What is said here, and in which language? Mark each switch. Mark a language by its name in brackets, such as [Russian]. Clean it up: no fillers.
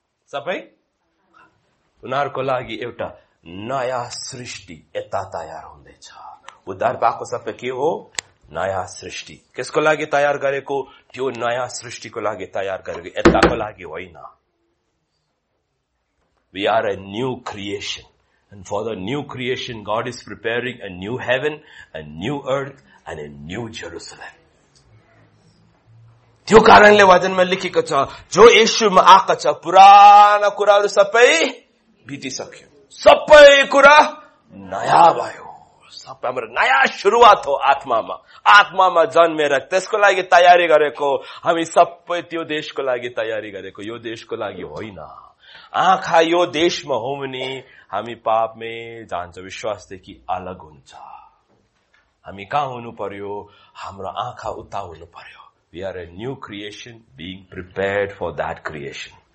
[Nepali] सबै उनीहरूको लागि एउटा नयाँ सृष्टि यता तयार हुँदैछ. उद्धार पाएको सबै के हो? नयाँ सृष्टि. केसको लागि तयार गरेको? त्यो नयाँ सृष्टिको लागि तयार गरेको, यताको लागि होइन. [English] We are a new creation. And for the new creation, God is preparing a new heaven, a new earth, and a new Jerusalem. [Nepali] त्यो कारणले वचनमा लेखेको छ, जो येशूमा आएको छ पुरानो कुराहरू सबै बितिसक्यो, सबै कुरा नयाँ भयो. सबै हाम्रो नयाँ सुरुवात हो आत्मामा. आत्मामा जन्मेर त्यसको लागि तयारी गरेको हामी सबै, त्यो देशको लागि तयारी गरेको, यो देशको लागि होइन. आँखा यो देशमा हो भने हामी पापमै जान्छ, विश्वासदेखि अलग हुन्छ. हामी कहाँ हुनु पर्यो? हाम्रो आँखा उता हुनु पर्यो. [English] We are a new creation being prepared for that creation.